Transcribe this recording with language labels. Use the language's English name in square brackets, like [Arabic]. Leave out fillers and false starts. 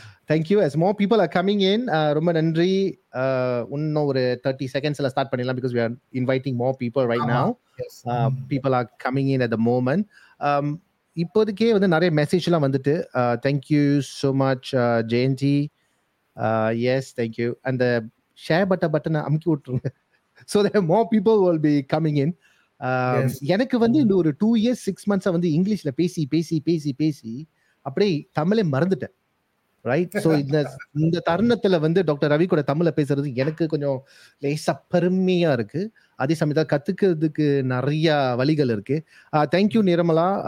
[English] Thank you. As more people are coming in, [Tamil] ரொம்ப நன்றி. இன்னும் ஒரு 30 seconds-ல ஸ்டார்ட் பண்ணிடலாம், [English] because we are inviting more people right now. People are coming in at the moment. [Tamil] இப்போதைக்கே வந்து நிறைய மெசேஜ்லாம் வந்துட்டு, [English] thank you so much, JNT. Yes, thank you. And the share button [Tamil] அமுக்கி விட்டுருங்க. [English] So there are more people will be coming in. [Tamil] எனக்கு வந்து இந்த ஒரு 2 years 6 months வந்து இங்கிலீஷ்ல பேசி பேசி பேசி பேசி அப்படியே தமிழை மறந்துட்டேன், ரைட்? சோ இந்த தருணத்துல வந்து டாக்டர் ரவி கூட தமிழ பேசுறது எனக்கு கொஞ்சம் லேசா பெருமையா இருக்கு. அதே சமயத்தில் கத்துக்கிறதுக்கு நிறைய வழிகள் இருக்கு. தேங்க்யூ நிர்மலா.